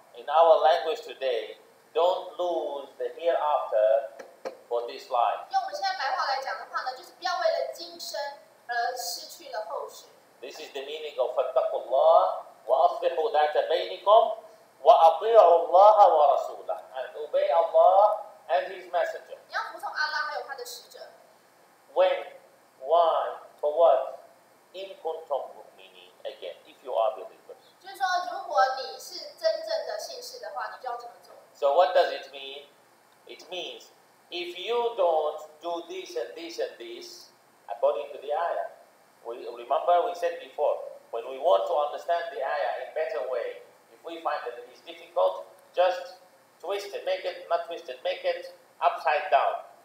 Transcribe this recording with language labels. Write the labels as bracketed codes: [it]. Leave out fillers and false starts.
[en] In our language today, don't lose the hereafter for this life. [zh] 用我们现在白话来讲的话呢，就是不要为了今生而失去了后世。 [en] This is the meaning of [ar] فَاتَّقُوا اللَّهَ وَأَصْلِحُوا ذَاتَ بَيْنِكُمْ وَأَطِيعُوا اللَّهَ وَرَسُولَهُ [en] and obey Allah and His Messenger. [zh] 你要服从阿拉还有他的使者。 [en] When, why, for what? [ar] إِن كُنْتُمْ مُؤْمِنِينَ [en] again, if you are believers. [zh] 就是说，如果你是真正的信士的话，你就要这么做。 [en] So what does it mean? It means, if you don't do this and this and this, according to the ayah, remember we said before, when we want to understand the ayah in a better way, if we find that it is difficult, just twist it, make it upside down.